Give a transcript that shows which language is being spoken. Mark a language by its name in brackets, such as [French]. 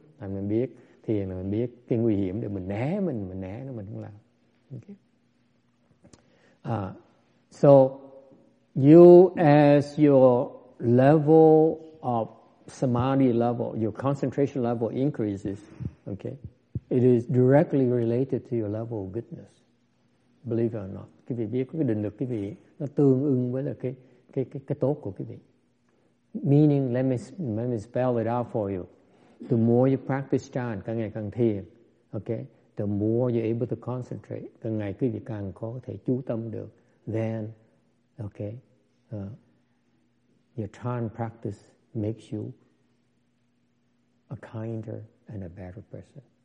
[Vietnamese] And mình biết, thiền là mình biết cái nguy hiểm để mình né nó, mình không làm. [English] Okay? So you, as your level of samadhi level, your concentration level increases, okay? It is directly related to your level of goodness, believe it or not. [Vietnamese] Quý vị biết cái định lực quý vị nó tương ứng với là cái tốt của quý vị. [English] Meaning, let me spell it out for you. The more you practice chan, [Vietnamese] càng ngày càng thiền, [English] okay? The more you're able to concentrate, [Vietnamese] càng ngày quý vị càng có thể chú tâm được, [English] then, okay, your chan practice makes you a kinder and a better person.